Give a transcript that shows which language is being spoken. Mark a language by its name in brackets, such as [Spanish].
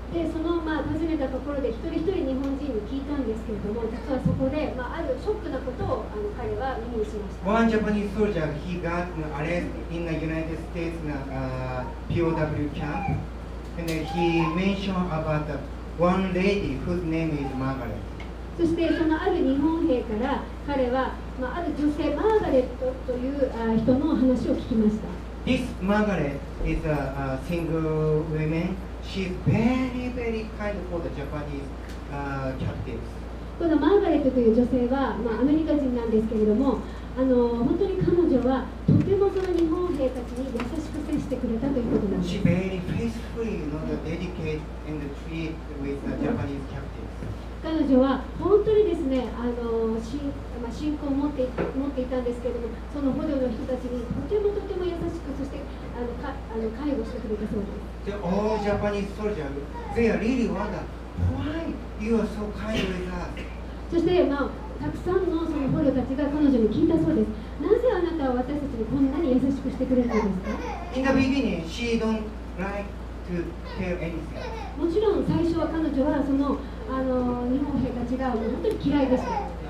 [Japanese] でその、まあ、訪ねたところで一人一人日本人に聞いたんですけれども実はそこで、まあ、あるショックなことを彼は耳にしました。 [English] One Japanese soldier, he got arrested in the United States POW camp and he mentioned about the one lady whose name is Margaret. [Japanese] そしてそのある日本兵から彼は、まあ、ある女性マーガレットという人の話を聞きました。 [English] This Margaret is a single woman. She's very, very kind for the Japanese captives. [Japanese] このマーガレットという女性は、まあ、アメリカ人なんですけれども、本当に彼女はとてもその日本兵たちに優しく接してくれたということなんです。 [English] She very faithfully, dedicated and treat with the Japanese captives. [Japanese] 彼女は本当にですね、まあ、信仰を持っていたんですけれども、その捕虜の人たちにとてもとても優しく、そして介護してくれたそうです。 [English] The old Japanese soldiers, they are really wonder, why you are so kind with us? [Japanese] そして、まあ、たくさんのその捕虜たちが彼女に聞いたそうです。なぜあなたは私たちにこんなに優しくしてくれたんですか？ [English] In the beginning, she don't like to tell anything. [Japanese] もちろん最初は彼女はその日本兵たちが本当に嫌いでした。